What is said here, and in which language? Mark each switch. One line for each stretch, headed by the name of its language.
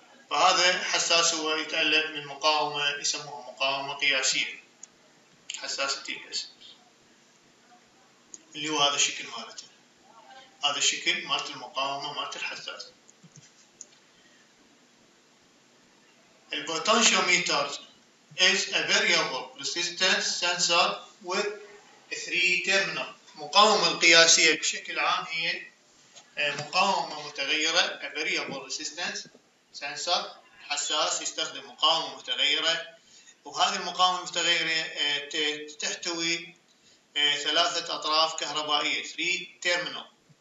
Arabic: فهذا حساس هو يتالف من مقاومه يسموها مقاومه قياسيه حساس التي بي اس اللي هو هذا الشكل مالته. هذا الشكل مالت المقاومه مالت الحساس.
English: البوتنشيوميتر is a variable resistance sensor with three terminals.
Arabic: مقاومة القياسية بشكل عام هي مقاومة متغيرة a variable resistance sensor. حساس يستخدم مقاومة متغيرة وهذه المقاومة المتغيرة تحتوي ثلاثة أطراف كهربائية three terminals.